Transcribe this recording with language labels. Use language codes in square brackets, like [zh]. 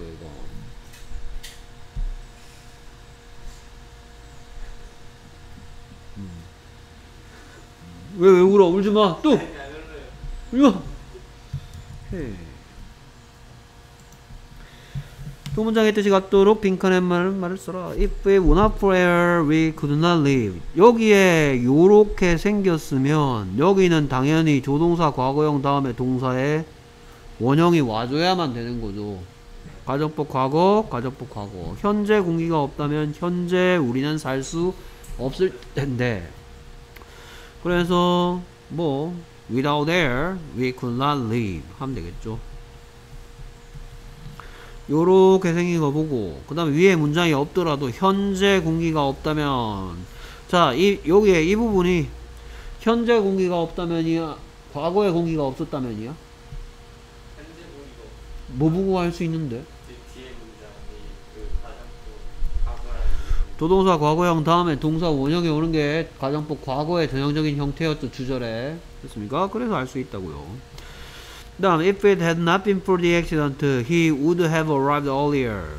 [ko] 이거 왜 울어? 울지 마. 또 울지 마. 헤이. 두 문장의 뜻이 같도록 빈칸에 맞는 말을 써라. [en] If we were not for air, we could not live. [ko] 여기에 요렇게 생겼으면 여기는 당연히 조동사 과거형 다음에 동사의 원형이 와줘야만 되는 거죠. 가정법 과거, 가정법 과거. 현재 공기가 없다면 현재 우리는 살 수 없을 텐데. 그래서 뭐 [en] without air, we could not live [ko] 하면 되겠죠. 요렇게 생긴 거 보고 그 다음에 위에 문장이 없더라도 현재 공기가 없다면 자 이 여기에 이 부분이 현재 공기가 없다면이야 과거에 공기가 없었다면이야 현재 공기가 뭐 보고 할 수 있는데 뒤에 문장이 그 가정법 과거라는 조동사 과거형 다음에 동사 원형에 오는 게 가정법 과거의 전형적인 형태였죠 주절에 됐습니까? 그래서 알 수 있다고요 다음, [en] if it had not been for the accident, he would have arrived earlier.